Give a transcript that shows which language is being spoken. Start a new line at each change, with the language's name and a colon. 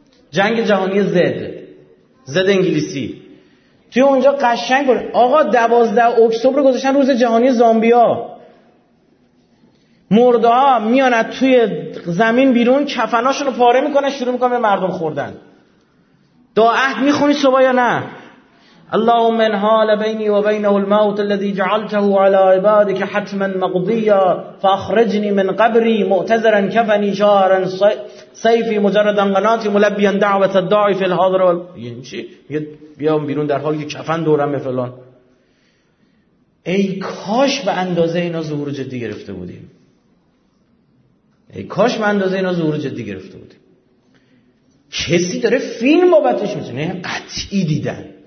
Persian: جنگ جهانی زد. زد انگلیسی. توی اونجا قشنگ بود. آقا 12 اکتبر گذاشتن روز جهانی زامبیا. مرده ها میان توی زمین بیرون، کفناشون رو پاره میکنن، شروع میکنن به مردم خوردن. دعا عهد میخونی صبح یا نه؟
Arabic: اللهم من حال بینی و بین الموت الذي جعلته على عبادك حتما مقضيا فاخرجني من قبري معتذرا كفني شهرا سيفي مجردا قناتي ملبيا دعوه الداعي في الحاضر وال...
Persian: ينشي بیام بیرون در حالی که کفن دورم فلان. ای کاش به اندازه اینا ظهور جدی گرفته بودیم. ای کاش به اندازه اینا ظهور جدی گرفته بودیم. کسی داره فیلم بابتش میتونه قطعی دیدن.